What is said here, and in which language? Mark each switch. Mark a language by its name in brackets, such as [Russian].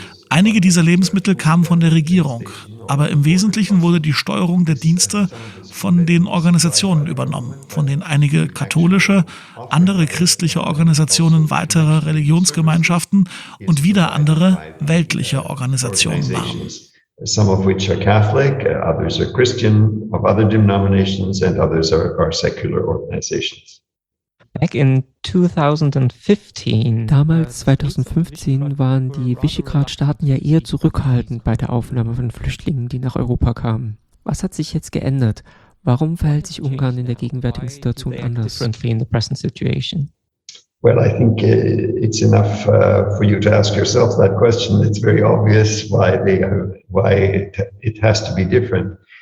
[German] Einige dieser Lebensmittel kamen von der Regierung, aber im Wesentlichen wurde die Steuerung der Dienste von den Organisationen übernommen, von denen einige katholische, andere christliche Organisationen weiterer Religionsgemeinschaften und wieder andere weltliche Organisationen waren. [English] Some of which are Catholic, others are Christian, of other denominations, and others are secular organizations. Back in 2015. [German] Damals 2015 waren die Visegrad-Staaten ja eher zurückhaltend bei der Aufnahme von Flüchtlingen, die nach Europa kamen. Was hat sich jetzt geändert? Warum verhält sich Ungarn in der gegenwärtigen Situation anders? [English] In the present situation? Well, I think it's enough for you to ask yourself that question. It's very obvious why it has to be different.